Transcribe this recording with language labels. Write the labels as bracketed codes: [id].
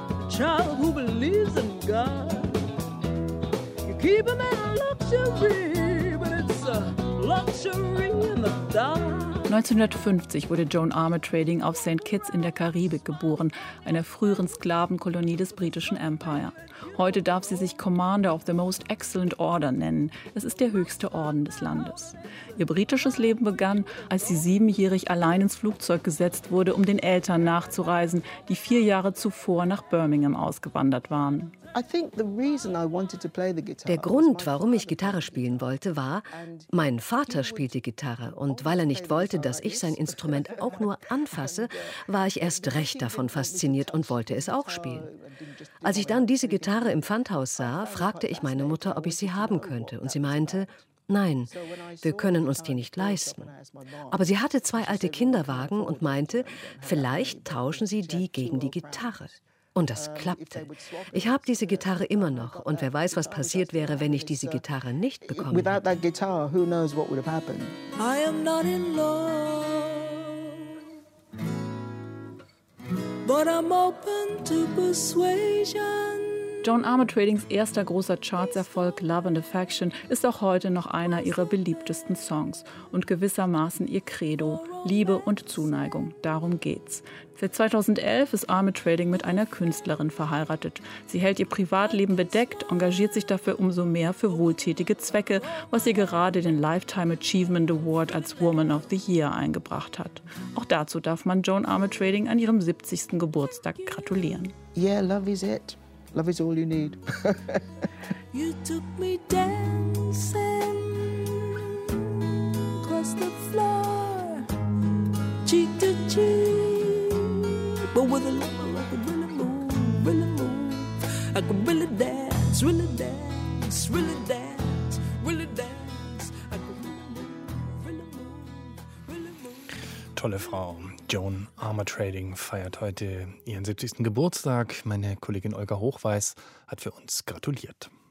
[en] Child who believes in God. You keep him in luxury, but it's a luxury in the dark. [de] 1950 wurde Joan Armatrading auf St. Kitts in der Karibik geboren, einer früheren Sklavenkolonie des britischen Empire. Heute darf sie sich Commander of the Most Excellent Order nennen. Es ist der höchste Orden des Landes. Ihr britisches Leben begann, als sie 7-jährig allein ins Flugzeug gesetzt wurde, um den Eltern nachzureisen, die 4 Jahre zuvor nach Birmingham ausgewandert waren. Der Grund, warum ich Gitarre spielen wollte, war, mein Vater spielte Gitarre und weil er nicht wollte, dass ich sein Instrument auch nur anfasse, war ich erst recht davon fasziniert und wollte es auch spielen. Als ich dann diese Gitarre im Pfandhaus sah, fragte ich meine Mutter, ob ich sie haben könnte und sie meinte, nein, wir können uns die nicht leisten. Aber sie hatte zwei alte Kinderwagen und meinte, vielleicht tauschen sie die gegen die Gitarre. Und das klappte. Ich habe diese Gitarre immer noch. Und wer weiß, was passiert wäre, wenn ich diese Gitarre nicht bekommen hätte. [en] Without that guitar, who knows what would have happened? I am not in love, but I'm open to persuasion. [de] Joan Armatradings erster großer Charts-Erfolg Love and Affection ist auch heute noch einer ihrer beliebtesten Songs und gewissermaßen ihr Credo, Liebe und Zuneigung, darum geht's. Seit 2011 ist Armatrading mit einer Künstlerin verheiratet. Sie hält ihr Privatleben bedeckt, engagiert sich dafür umso mehr für wohltätige Zwecke, was ihr gerade den Lifetime Achievement Award als Woman of the Year eingebracht hat. Auch dazu darf man Joan Armatrading an ihrem 70. Geburtstag gratulieren. [en] Yeah, love is it. Love is all you need. You took me dancing across the floor, cheek to cheek, but with a lover I could really move, really move. I could really dance, really dance, really dance, really dance. I could really move, really move, really move. [de] Tolle Frau. Joan Armatrading feiert heute ihren 70. Geburtstag. Meine Kollegin Olga Hochweiß hat für uns gratuliert.